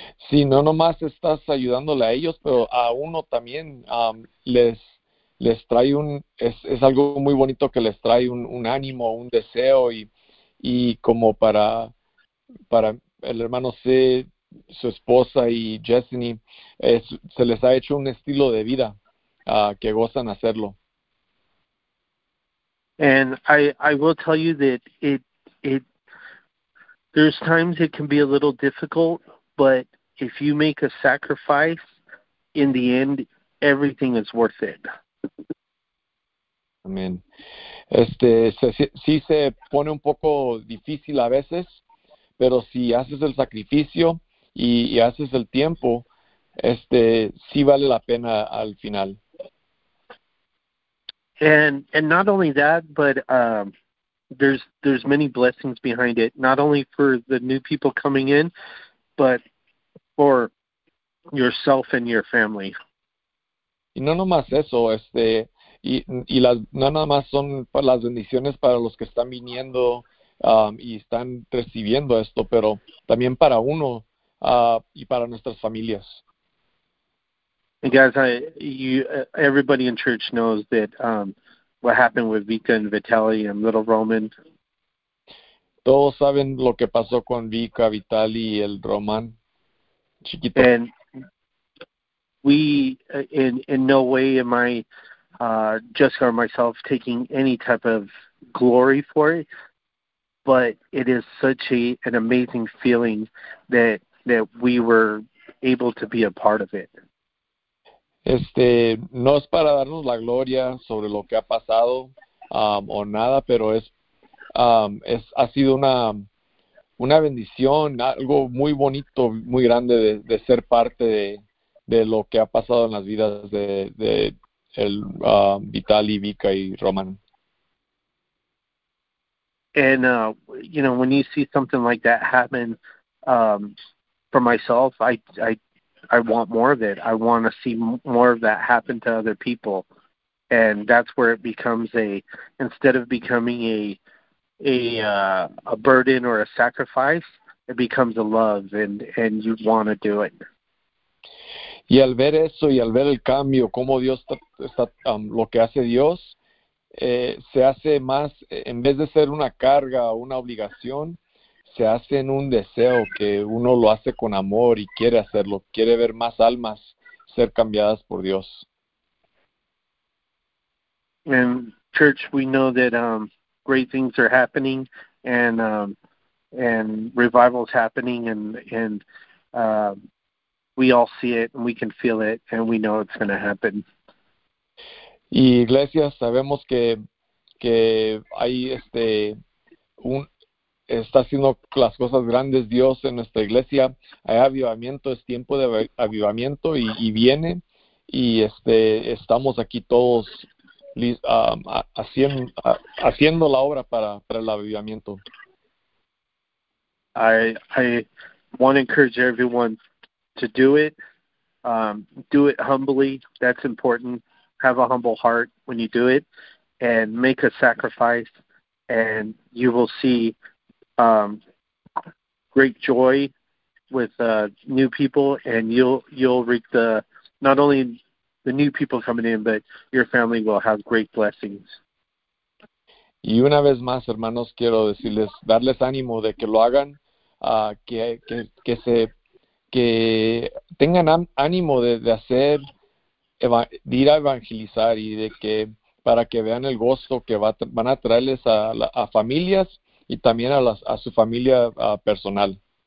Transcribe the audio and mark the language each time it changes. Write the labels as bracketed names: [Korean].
[Spanish] Sí, no nomás estás ayudándole a ellos, pero a uno también les trae es algo muy bonito que les trae un ánimo, un deseo y como para el hermano C, su esposa y Jessany, se les ha hecho un estilo de vida que gozan hacerlo. [English] And I will tell you that it there's times it can be a little difficult, but if you make a sacrifice, in the end, everything is worth it. [Spanish] Amén. Se pone un poco difícil a veces, pero si haces el sacrificio y haces el tiempo, sí vale la pena al final. [English] And not only that, but there's many blessings behind it, not only for the new people coming in, but for yourself and your family. [Spanish] Y no nomás eso, y las no nada más son para las bendiciones para los que están viniendo y están recibiendo esto, pero también para uno y para nuestras familias. [English] Guys, everybody in church knows that what happened with Vika and Vitaly and Little Roman. [Spanish] Todos saben lo que pasó con Vika, Vital y el Román, chiquito. [English] And we, in no way am I, Jessica or myself, taking any type of glory for it, but it is such a an amazing feeling that we were able to be a part of it. [Spanish] No es para darnos la gloria sobre lo que ha pasado o nada, pero ha sido una bendición, algo muy bonito, muy grande de ser parte de lo que ha pasado en las vidas de el Vitaly, Vika y Roman. [English] And when you see something like that happen, for myself, I want more of it. I want to see more of that happen to other people. And that's where it becomes a, instead of becoming a burden or a sacrifice, it becomes a love, and you want to do it. [Spanish] Y al ver eso y al ver el cambio, cómo Dios lo que hace Dios, se hace más, en vez de ser una carga o una obligación, se hace en un deseo que uno lo hace con amor y quiere hacerlo, quiere ver más almas ser cambiadas por Dios. [English] And church, we know that great things are happening, and revival's happening, and we all see it, and we can feel it, and we know it's going to happen. [Spanish] Y iglesias, sabemos que hay está haciendo las cosas grandes Dios en nuestra iglesia. Hay avivamiento, es tiempo de avivamiento y viene. Y estamos aquí todos haciendo la obra para el avivamiento. [English] I want to encourage everyone to do it. Do it humbly. That's important. Have a humble heart when you do it, and make a sacrifice, and you will see great joy with new people, and you'll reap the not only the new people coming in, but your family will have great blessings. [Spanish] Y una vez más, hermanos, quiero decirles, darles ánimo de que lo hagan, que tengan ánimo de hacer, de ir a evangelizar y de que para que vean el gozo que van a traerles a familias y también a su familia personal.